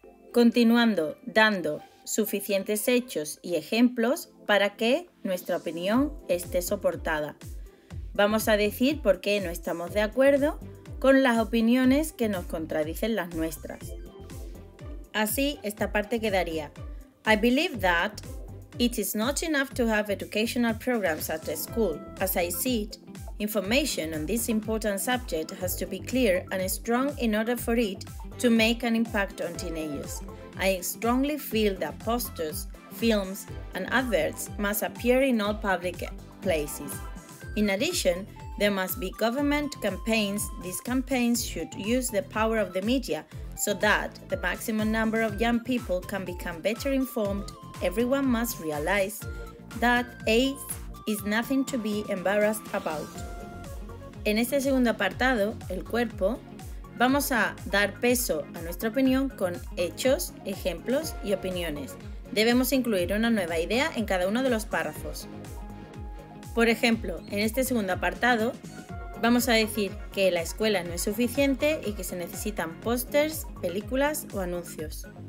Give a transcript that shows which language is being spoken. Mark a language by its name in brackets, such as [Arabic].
[Spanish] Continuando dando suficientes hechos y ejemplos para que nuestra opinión esté soportada, vamos a decir por qué no estamos de acuerdo con las opiniones que nos contradicen las nuestras. Así, esta parte quedaría: [English] I believe that it is not enough to have educational programs at the school. As I see it, information on this important subject has to be clear and strong in order for it to make an impact on teenagers. I strongly feel that posters, films, and adverts must appear in all public places. In addition, there must be government campaigns. These campaigns should use the power of the media so that the maximum number of young people can become better informed. Everyone must realize that AIDS is nothing to be embarrassed about. [Spanish] En este segundo apartado, el cuerpo, vamos a dar peso a nuestra opinión con hechos, ejemplos y opiniones. Debemos incluir una nueva idea en cada uno de los párrafos. Por ejemplo, en este segundo apartado, vamos a decir que la escuela no es suficiente y que se necesitan pósters, películas o anuncios.